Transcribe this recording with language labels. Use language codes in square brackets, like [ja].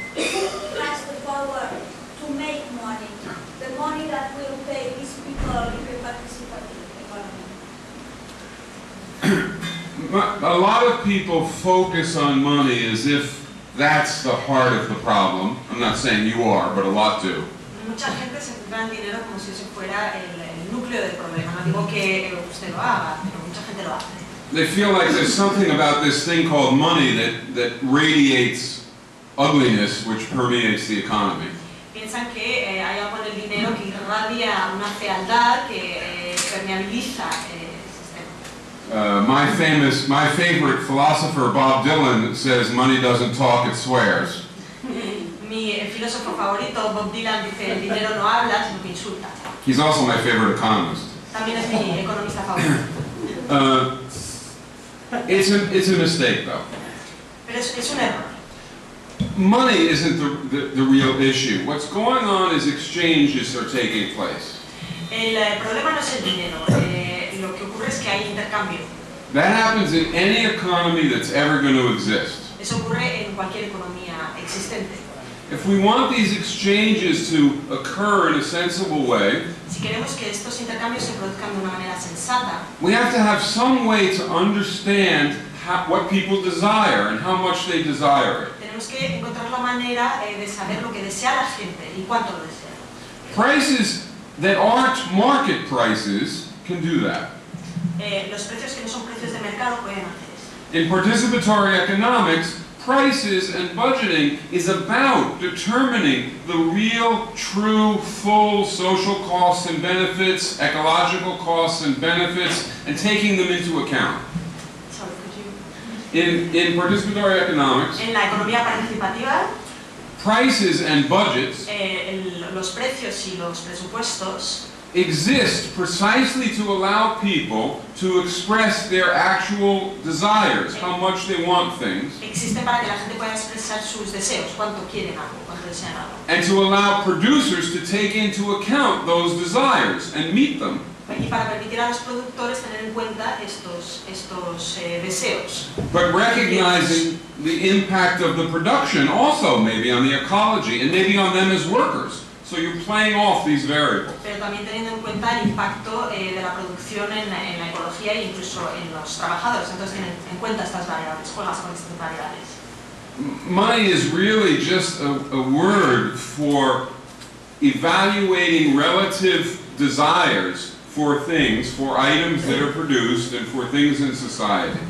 [en] Who has the power to make money? The money that will pay these people in the participatory economy. A lot of people focus on money as if that's the heart of the problem. I'm not saying you are, but a lot do. [es] Mucha gente se centra en dinero como si eso fuera el núcleo del problema. No digo que usted lo haga, pero mucha gente lo hace. [en] They feel like there's something about this thing called money that radiates ugliness, which permeates the economy. [es] Piensan que hay algo en el dinero que irradia una fealdad que permeabiliza el sistema. [en] My favorite philosopher Bob Dylan says money doesn't talk, it swears. [es] Mi filósofo favorito, Bob Dylan, dice el dinero no habla, sino que insulta. [en] He's also my favorite economist. [es] También es mi economista favorito. [en] It's a mistake, though. [es] Pero es un error. [en] Money isn't the real issue. What's going on is exchanges are taking place. [es] El problema no es el dinero. Lo que ocurre es que hay intercambio. [en] That happens in any economy that's ever going to exist. [es] Eso ocurre en cualquier economía existente. [en] If we want these exchanges to occur in a sensible way, [es] si queremos que estos intercambios se produzcan de una manera sensata, [en] we have to have some way to understand what people desire and how much they desire it. [es] Tenemos que encontrar la manera de saber lo que desea la gente y cuánto lo desea. [en] Prices that aren't market prices, can do that. [es] Los precios que no son precios de mercado pueden hacer eso. [en] In participatory economics, prices and budgeting is about determining the real, true, full social costs and benefits, ecological costs and benefits, and taking them into account. In participatory economics, [es] en la economía participativa, [en] prices and budgets [es] los precios y los presupuestos [en] exist precisely to allow people to express their actual desires, how much they want things, [es] existe para que la gente pueda expresar sus deseos, cuánto quieren algo, cuánto desean algo, [en] and to allow producers to take into account those desires and meet them. [es] Y para permitir a los productores tener en cuenta estos deseos. [en] But recognizing the impact of the production also maybe on the ecology and maybe on them as workers. So you're playing off these variables. [es] Pero también teniendo en cuenta el impacto de la producción en la ecología e incluso en los trabajadores. Entonces tienen en cuenta estas variables, juegas con estas variables. [en] Money is really just a word for evaluating relative desires for things, for items that are produced, and for things in society.